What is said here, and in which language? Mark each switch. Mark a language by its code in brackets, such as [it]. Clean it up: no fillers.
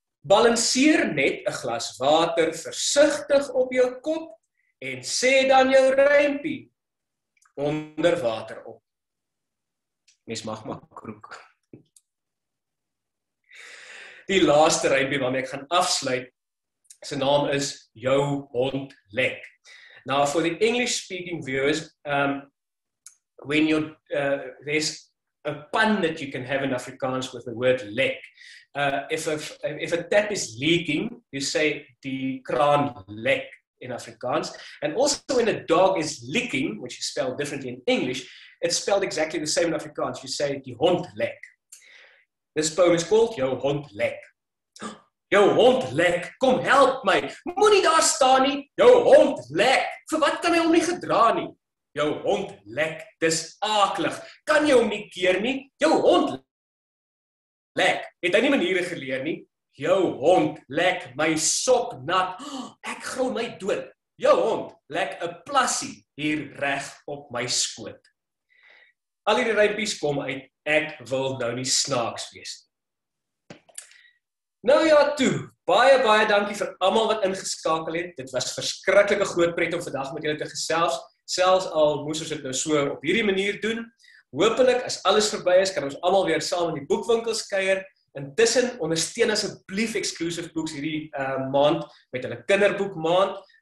[af] Balanseer net 'n glas water versigtig op jou kop en sê dan jou rympie onder water op. Mens mag maar kroek. Die laaste rympie waarmee ek gaan afsluit, sy naam is jou hond lek. [en] Now for the English speaking viewers, when you there's a pun that you can have in Afrikaans with the word lek. If a tap is leaking, you say [af] die kraan lek [en] in Afrikaans. And also when a dog is licking, which is spelled differently in English, it's spelled exactly the same in Afrikaans. You say [af] die hond lek. [en] This poem is called [af] jou hond lek. Jou hond lek, kom help my. Moenie daar staan nie. Jou hond lek. Vir wat kan hy hom nie gedra nie? Jou hond lek, dis aaklig. Kan jy hom nie keer nie? Jou hond lek. Het hy nie maniere geleer nie? Jou hond lek my sok nat. Ek gril my dood. Jou hond lek 'n plassie hier reg op my skoot. Al hierdie rympies kom uit ek wil nou nie snaaks wees. Nou ja, toe, baie, baie dankie vir allemaal wat ingeskakel het. Dit was verskriklike groot pret om vandag met julle te gesels. Selfs al moes ons dit nou so op hierdie manier doen. Hoopelik, as alles verby is, kan ons allemaal weer saam in die boekwinkels kuier. Intussen, ondersteun asseblief Exclusive Books hierdie maand met hulle kinderboek maand.